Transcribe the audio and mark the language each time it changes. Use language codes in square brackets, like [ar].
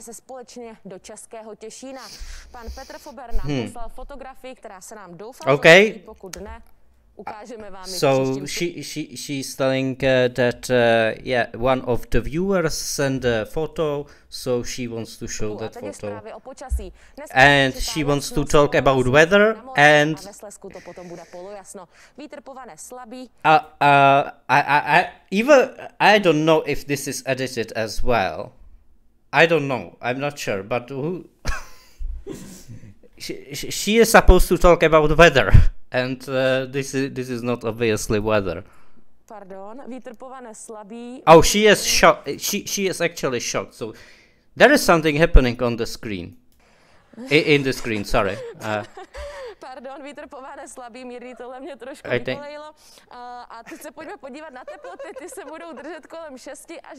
[cs] Se společně do českého Těšína. Pan Petr Fober nám poslal fotografii, která se nám doufá, okay. Pokud ne, ukážeme vám. [en] So she's telling that one of the viewers sent a photo, so she wants to show that photo. And she wants to talk about weather and [cs] to potom bude polojasno. Vítr povane slabý. [en] I don't know if this is edited as well. I don't know. I'm not sure, but who she is supposed to talk about weather. And this is not obviously weather. [cs] Pardon, vítr povane slabý. [en] Oh, she is shocked. She is actually shocked. So there is something happening on the screen. In the screen, sorry. [cs] pardon, vítr pováne slabý, mírný, tohle mě trošku vykolejilo. A teď se pojďme podívat na teploty, ty se budou držet kolem 6 až...